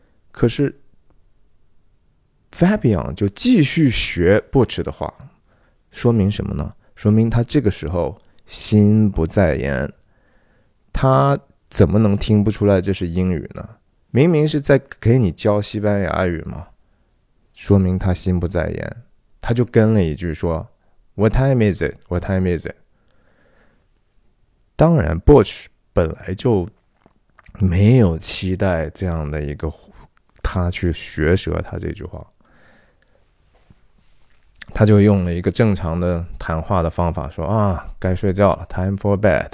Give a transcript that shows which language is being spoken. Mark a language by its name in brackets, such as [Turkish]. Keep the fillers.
[Chinese] 可是 Fabian 就继续学 b t c h 的话，说明什么呢？说明他这个时候心不在焉。他怎么能听不出来这是英语呢？明明是在给你教西班牙语嘛，说明他心不在焉。他就跟了一句说： [English] “What time is it? What time is it?” [Chinese] 当然，Bush 本来就没有期待这样的一个他去学舌，他这句话，他就用了一个正常的谈话的方法说：“啊，该睡觉了， [English] Time for bed。